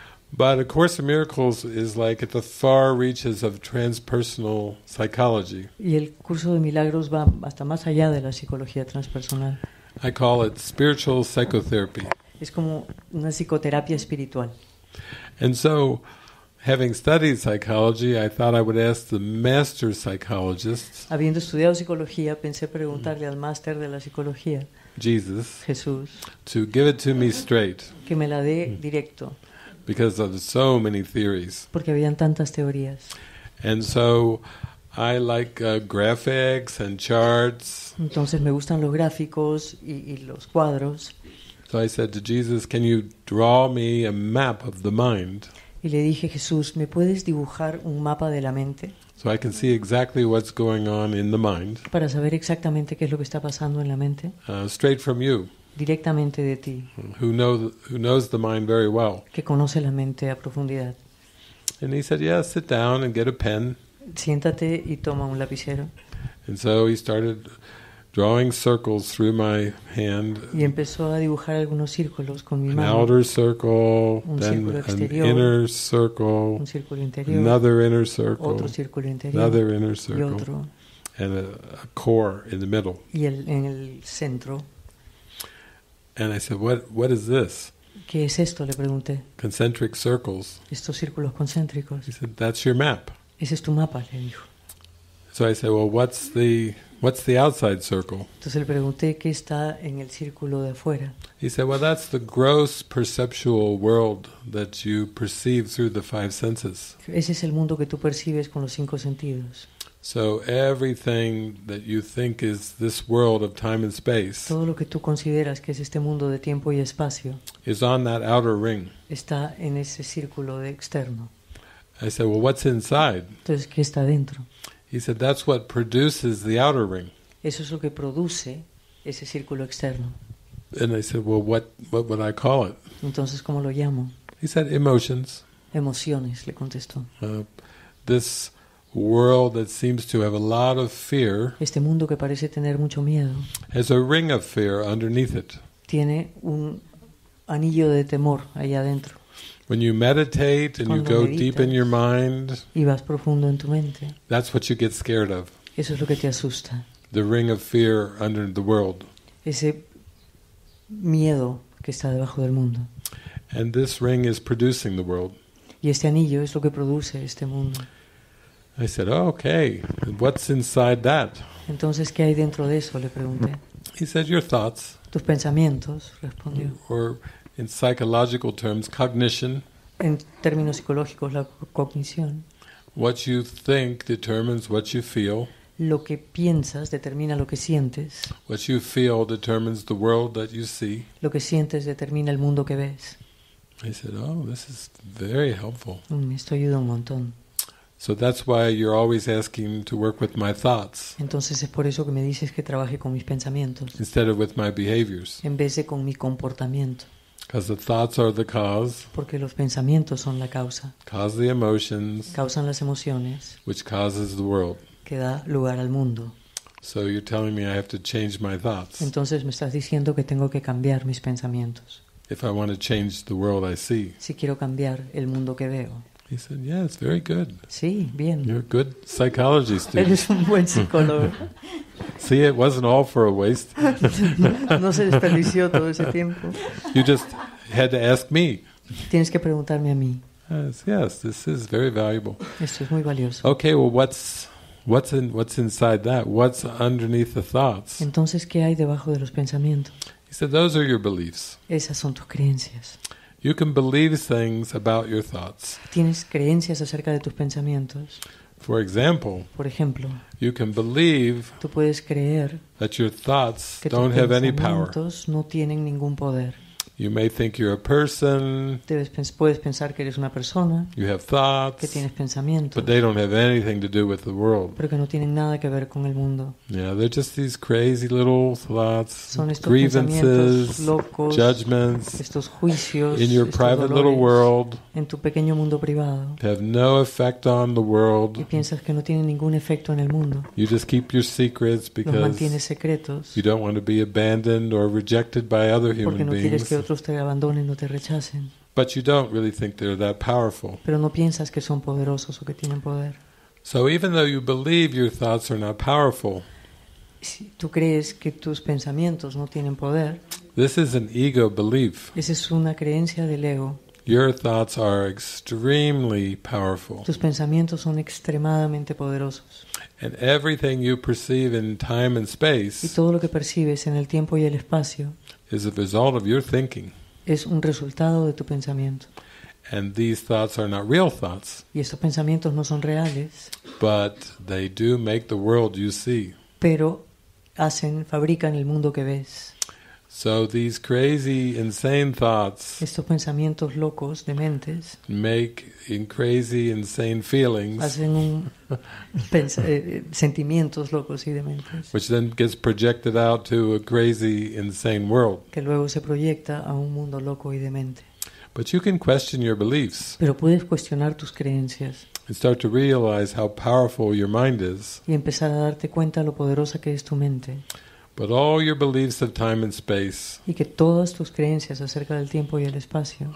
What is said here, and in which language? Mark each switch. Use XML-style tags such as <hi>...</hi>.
<en>But A Course in Miracles is like at the far reaches of transpersonal psychology.</en> <es>Y el curso de milagros va hasta más allá de la psicología transpersonal.</es> <en>I call it spiritual psychotherapy.</en> <es>Es como una psicoterapia espiritual.</es> <en>And so, having studied psychology, I thought I would ask the master psychologists.</en> <es>Habiendo estudiado psicología, pensé preguntarle al máster de la psicología.</es> <en>Jesus.</en> <es>Jesús.</es> <en>To give it to me straight.</en> <es>Que me la dé directo.</es> <en>Because of so many theories.</en> <es>Porque habían tantas teorías.</es> <en>And so, I like graphics and charts.</en> <es>Entonces me gustan los gráficos y los cuadros.</es> <en>So I said to Jesus, "Can you draw me a map of the mind?"</en> <es>Y le dije, Jesús, ¿me puedes dibujar un mapa de la mente?</es> <en>So I can see exactly what's going on in the mind.</en> <es>Para saber exactamente qué es lo que está pasando en la mente.</es> <en>Straight from you.</en> <es>Directamente de ti.</es> <en>Who knows the mind very well.</en> <es>Que conoce la mente a profundidad.</es> <en>And he said, "Yeah, sit down and get a pen."</en> <es>Siéntate y toma un lapicero.</es> <en>And so he started drawing circles through my hand.</en> <es>Y empezó a dibujar algunos círculos con mi mano.</es> <en>An outer circle, then an inner circle,</en> <es>un círculo interior,</es> <en>another inner circle,</en> <es>otro círculo interior,</es> <en>another inner circle,</en> <es>y otro.</es> <en>And a core in the middle.</en> <es>Y en el centro.</es> <en>And I said, "What is this?"</en> <es>¿Qué es esto?, le pregunté.</es> <en>Concentric circles.</en> <es>Estos círculos concéntricos.</es> <en>He said, "That's your map."</en> <es>Ese es tu mapa, le dijo.</es> <en>So I said, "Well, what's the outside circle?"</en> <es>Entonces le pregunté qué está en el círculo de afuera.</es> <en>He said, "Well, that's the gross perceptual world that you perceive through the five senses."</en> <es>Ese es el mundo que tú percibes con los cinco sentidos.</es> <en>So everything that you think is this world of time and space.</en> <es>Todo lo que tú consideras que es este mundo de tiempo y espacio.</es> <en>Is on that outer ring.</en> <es>Está en ese círculo de externo.</es> <en>I said, "Well, what's inside?"</en> <es>Entonces, ¿qué está dentro?</es> <en>He said, "That's what produces the outer ring."</en> <es>Eso es lo que produce ese círculo externo.</es> <en>And I said, "Well, what would I call it?"</en> <es>Entonces, ¿cómo lo llamo?</es> <en>He said, "Emotions."</en> <es>Emociones, le contestó.</es> <en>This world that seems to have a lot of fear.</en> <es>Este mundo que parece tener mucho miedo.</es> <en>Has a ring of fear underneath it.</en> <es>Tiene un anillo de temor allá adentro.</es> <en>When you meditate and you go deep in your mind,</en> <es>y vas profundo en tu mente,</es> <en>that's what you get scared of.</en> <es>Eso es lo que te asusta.</es> <en>The ring of fear under the world.</en> <es>Ese miedo que está debajo del mundo.</es> <en>And this ring is producing the world.</en> <es>Y este anillo es lo que produce este mundo.</es> <en>I said, "Oh, okay, and what's inside that?"</en> <es>Entonces, ¿qué hay dentro de eso?, le pregunté.</es> <en>He said, "Your thoughts."</en> <es>Tus pensamientos, respondió.</es> <en>Or in psychological terms, cognition.</en> <es>En términos psicológicos, la cognición.</es> <en>What you think determines what you feel.</en> <es>Lo que piensas determina lo que sientes.</es> <en>What you feel determines the world that you see.</en> <es>Lo que sientes determina el mundo que ves.</es> <en>I said, "Oh, this is very helpful."</en> <es>Esto ayuda un montón.</es> <en>So that's why you're always asking to work with my thoughts.</en> <es>Entonces es por eso que me dices que trabaje con mis pensamientos.</es> <en>Instead of with my behaviors.</en> <es>En vez de con mi comportamiento.</es> <en>Because the thoughts are the cause.</en> <es>Porque los pensamientos son la causa.</es> <en>Cause the emotions.</en> <es>Causan las emociones.</es> <en>Which causes the world.</en> <es>Que da lugar al mundo.</es> <en>So you're telling me I have to change my thoughts.</en> <es>Entonces me estás diciendo que tengo que cambiar mis pensamientos.</es> <en>If I want to change the world I see.</en> <es>Si quiero cambiar el mundo que veo.</es> <en>He said, "Yeah, it's very good."</en> <es>Sí, bien.</es> <en>You're a good psychology student.</en> <es>Eres un buen psicólogo.</es> <en>See, it wasn't all for a waste.</en> <es>No se desperdició todo ese tiempo.</es> <en>You just had to ask me.</en> <es>Tienes que preguntarme a mí.</es> <en>Yes, this is very valuable.</en> <es>Esto es muy valioso.</es> <en>Okay, well, what's inside that? What's underneath the thoughts?</en> <es>Entonces, ¿qué hay debajo de los pensamientos?</es> <en>He said, "Those are your beliefs."</en> <es>Esas son tus creencias.</es> <en>You can believe things about your thoughts.</en> <es>Tienes creencias acerca de tus pensamientos.</es> <en>For example,</en> <es>por ejemplo,</es> <en>you can believe</en> <es>tú puedes creer</es> <en>that your thoughts</en> <es>que</es> <en>don't have any power.</en> <es>No tienen ningún poder.</es> <en>You may think you're a person.</en> <es>Puedes pensar que eres una persona.</es> <en>You have thoughts.</en> <es>Que tienes pensamientos.</es> <en>But they don't have anything to do with the world.</en> <es>Pero que no tienen nada que ver con el mundo.</es> <en>Yeah, they're just these crazy little thoughts,</en> <es>son estos</es> <en>grievances,</en> <es>locos,</es> <en>judgments,</en> <es>estos juicios,</es> <en>in your</en> <es>estos</es> <en>private</en> <es>dolores,</es> <en>little world.</en> <es>En tu pequeño mundo privado.</es> <en>Have no effect on the world.</en> <es>Y piensas que no tienen ningún efecto en el mundo.</es> <en>You just keep your secrets because</en> <es>los mantienes secretos.</es> <en>You don't want to be abandoned or rejected by other human</en> <es>porque no</es> <en>beings.</en> <es>Quieres que otros te abandonen o te rechacen.</es> <en>But you don't really think they're that powerful.</en> <es>Pero no piensas que son poderosos o que tienen poder.</es> <en>So even though you believe your thoughts are not powerful,</en> <es>si tú crees que tus pensamientos no tienen poder,</es> <en>this is an ego belief.</en> <es>Esa es una creencia del ego.</es> <en>Your thoughts are extremely powerful.</en> <es>Tus pensamientos son extremadamente poderosos.</es> <en>And everything you perceive in time and space,</en> <es>y todo lo que percibes en el tiempo y el espacio,</es> <en>is a result of your thinking.</en> <es>Es un resultado de tu pensamiento.</es> <en>And these thoughts are not real thoughts.</en> <es>Y estos pensamientos no son reales.</es> <en>But they do make the world you see.</en> <es>Pero hacen, fabrican el mundo que ves.</es> <en>So these crazy, insane thoughts,</en> <es>estos pensamientos locos, dementes,</es> <en>make in crazy, insane feelings,</en> <es>hacen un sentimientos locos y dementes,</es> <en>which then gets projected out to a crazy, insane world,</en> <es>que luego se proyecta a un mundo loco y demente.</es> <en>But you can question your beliefs,</en> <es>pero puedes cuestionar tus creencias,</es> <en>and start to realize how powerful your mind is,</en> <es>y empezar a darte cuenta lo poderosa que es tu mente.</es> <en>But all your beliefs of time and space,</en> <es>y que todas tus creencias acerca del tiempo y el espacio,</es>